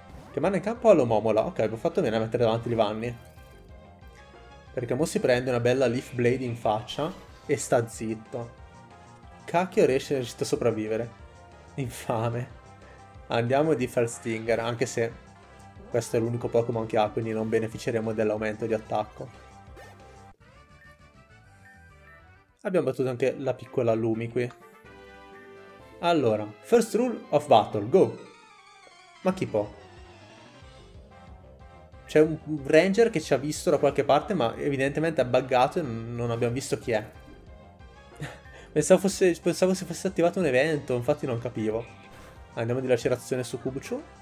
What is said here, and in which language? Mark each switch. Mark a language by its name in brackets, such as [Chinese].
[Italian] Che manda in campo all'Omomola. Ok, abbiamo fatto bene a mettere davanti Divanny. Perché mo si prende una bella Leaf Blade in faccia e sta zitto. Cacchio, riesce a sopravvivere. Infame. Andiamo di Felstinger, anche se questo è l'unico Pokémon che ha, quindi non beneficeremo dell'aumento di attacco. Abbiamo battuto anche la piccola Lumi qui. Allora, [English] first rule of battle, go! [Italian] Ma chi può? C'è un ranger che ci ha visto da qualche parte, ma evidentemente ha buggato e non abbiamo visto chi è. Pensavo si fosse attivato un evento, infatti non capivo. Andiamo di lacerazione su Kubuchu.